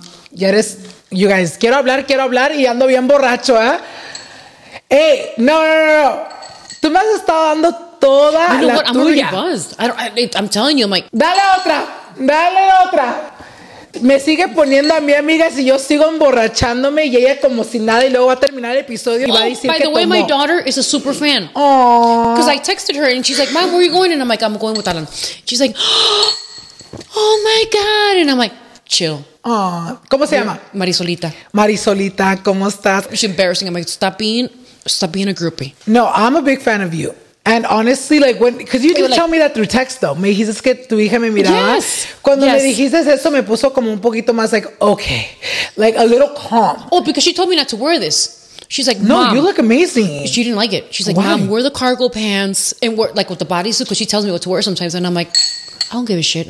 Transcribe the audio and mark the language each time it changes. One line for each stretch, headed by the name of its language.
Spanish: Ya eres,
English: you guys,
Spanish: quiero hablar y ando bien borracho, ¿eh? Hey, no. Tú me has estado dando toda
English: you know
Spanish: la
English: what?
Spanish: Tuya.
English: I'm already buzzed. I'm telling you, I'm like...
Spanish: Dale otra. Me sigue poniendo a mi amiga si yo sigo emborrachándome y ella como si nada y luego va a terminar el episodio y va a decir que tomó.
English: By the way, my daughter is a super fan. Aww. Because I texted her and she's like, Mom, where are you going? And I'm like, I'm going with Alan. She's like, oh my God. And I'm like, chill.
Spanish: ¿Cómo se llama? Marisolita. Marisolita, ¿cómo estás?
English: It's embarrassing. I'm like, Stop being a groupie. No, I'm a big fan of you. And honestly, like when, because you did like, tell me that through text though.
Spanish: Me dijiste que tu hija me miraba.
English: Yes.
Spanish: Cuando
English: yes.
Spanish: me dijiste eso, me puso como un poquito más
English: like, okay, like a little calm. Oh, because she told me not to wear this. She's like, no, Mom, you look amazing. She didn't like it. She's like, why? Mom, wear the cargo pants and wear like with the bodysuit because she tells me what to wear sometimes. And I'm like, I don't give a shit.